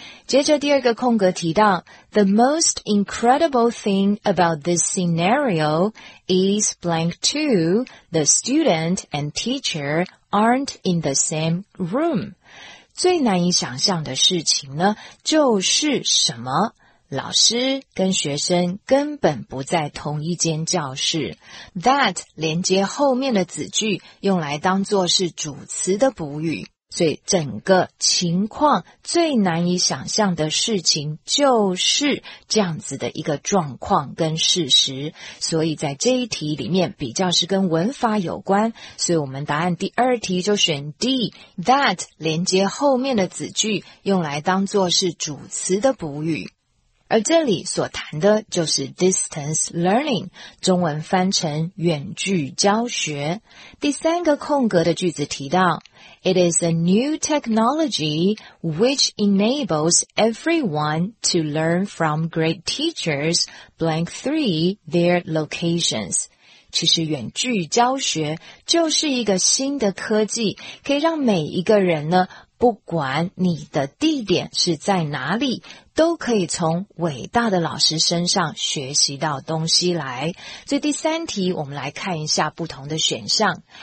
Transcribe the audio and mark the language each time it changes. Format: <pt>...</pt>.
<zh>接着第二个空格提到</zh> <en>The most incredible thing about this scenario is blank to the student and teacher aren't in the same room.</en> <zh>最难以想象的事情呢就是什么？老师跟学生根本不在同一间教室。 That 连接后面的子句用来当作是主词的补语。所以整个情况最难以想象的事情就是这样子的一个状况跟事实。所以在这一题里面比较是跟文法有关，所以我们答案第二题就选 D, that 连接后面的子句用来当作是主词的补语。而这里所谈的就是 distance learning, 中文翻成远距教学。第三个空格的句子提到</zh> <en>It is a new technology which enables everyone to learn from great teachers blank three their locations.</en> <zh>其实远距教学就是一个新的科技，可以让每一个人呢，不管你的地点是在哪里，都可以从伟大的老师身上学习到东西来。所以第三题我们来看一下不同的选项。</zh>